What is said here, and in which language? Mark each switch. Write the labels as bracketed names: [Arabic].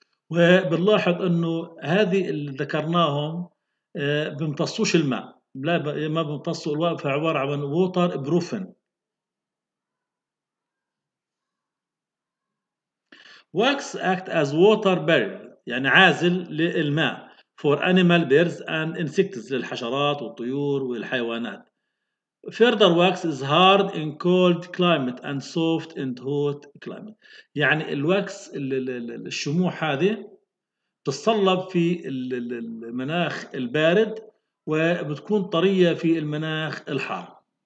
[Arabic] وبنلاحظ أنه هذه اللي ذكرناهم بمتصوش الماء، لا ما بمتصوا الماء، فعبارة عن [English] Waterproofing. Wax act as water barrier, [Arabic] يعني عازل للماء. [English] For animal, birds and insects، [Arabic] للحشرات والطيور والحيوانات. [English] Further wax is hard in cold climate and soft in hot climate. [Arabic] يعني الواكس الشموع هذه تتصلب في المناخ البارد وبتكون طرية في المناخ الحار.